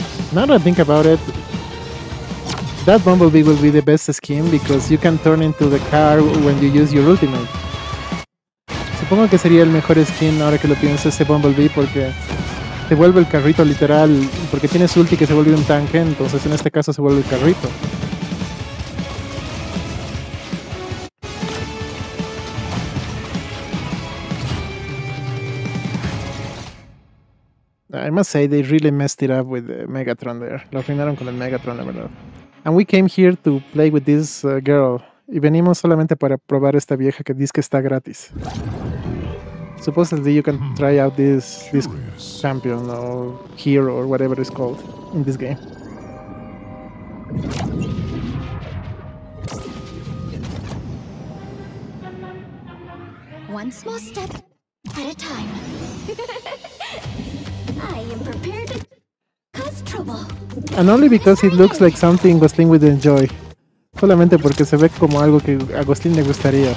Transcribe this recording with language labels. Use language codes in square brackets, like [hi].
[en] Now that I think about it, that Bumblebee will be the best skin because you can turn into the car when you use your ultimate. [es] Supongo que sería el mejor skin ahora que lo pienso ese Bumblebee porque se vuelve el carrito literal, porque tiene su ulti que se vuelve un tanque, entonces en este caso se vuelve el carrito. [en] I must say, they really messed it up with the Megatron there. [es] Lo arruinaron con el Megatron, la verdad. [en] And we came here to play with this girl. [es] Y venimos solamente para probar esta vieja que dice que está gratis. [en] Supposedly you can try out this champion or hero or whatever it's called in this game. One small step at a time. I am prepared to cause trouble. And only because it looks like something Agustín would enjoy. [es] Solamente porque se ve como algo que Agustín le gustaría.